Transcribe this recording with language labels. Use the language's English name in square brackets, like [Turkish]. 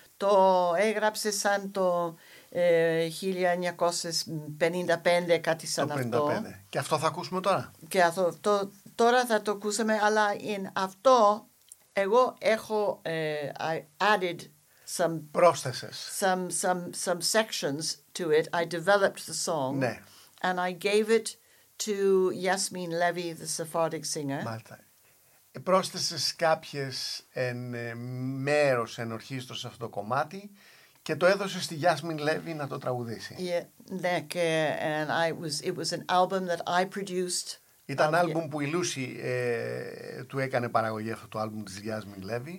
[Greek] Το έγραψε σαν το 1955, κάτι σαν το 55. Αυτό. Και αυτό θα ακούσουμε τώρα. Και αυτό, τώρα θα το ακούσουμε, αλλά αυτό εγώ έχω [English] added some... [Greek] Πρόσθεσες. [English] Some sections to it. I developed the song. [Greek] Ναι. [English] And I gave it to Yasmin Levy, the Sephardic singer. [Greek] Μάλιστα. Πρόσθεσες κάποιες μέρος ενορχήστρωσης σε αυτό το κομμάτι και το έδωσες στη Yasmin Levy να το τραγουδήσει. [English] Yeah, [Greek] ναι, και [English] and it was an album that I produced. [Greek] Ήταν άλμπουμ που η Λούση του έκανε παραγωγή, αυτό το άλμπουμ της Yasmin Levy.